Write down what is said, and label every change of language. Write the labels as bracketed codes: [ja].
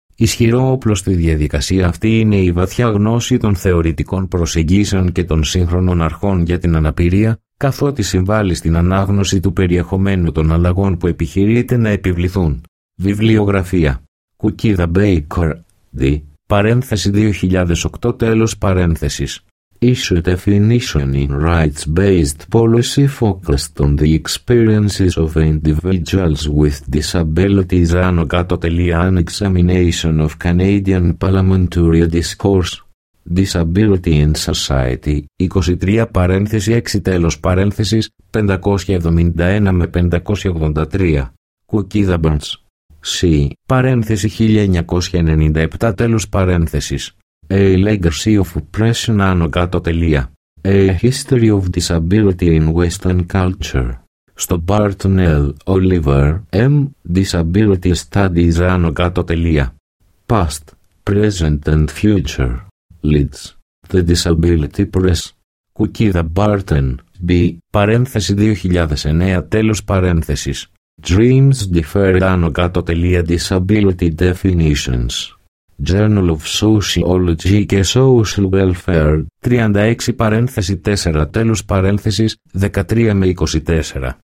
[el] Ισχυρό όπλο στη διαδικασία αυτή είναι η βαθιά γνώση των θεωρητικών προσεγγίσεων και των σύγχρονων αρχών για την αναπηρία, καθότι συμβάλλει στην ανάγνωση του περιεχομένου των αλλαγών που επιχειρείται να επιβληθούν. Βιβλιογραφία. Κουκίδα Μπέικορ, D. Παρένθεση 2008 τέλος παρένθεσης. [en] Issue definition in rights-based policy focused on the experiences of individuals with disabilities. An examination of Canadian parliamentary discourse. Disability in society, [el] 23 παρένθεση 6 τέλος παρένθεσης, 571 με 583. Κουκίδα Μπαντς. C. Παρένθεση 1997 τέλος παρένθεσης. [en] A legacy of oppression [el] άνω κάτω τελεία. [en] A history of disability in Western culture. [el] Στο Barton L. Oliver M. [en] Disability studies [el] άνω κάτω τελεία. [en] Past, present and future. Leeds. The Disability Press. Κουκίδα Μπάρτεν. B. [el] Παρένθεση 2009 τέλος παρένθεσης. [en] Dreams differ [el] άνω κάτω τελεία. [en] Disability Definitions. Journal of Sociology και Social Welfare. [el] 36 παρένθεση 4 τέλος παρένθεσης. 13 με 24.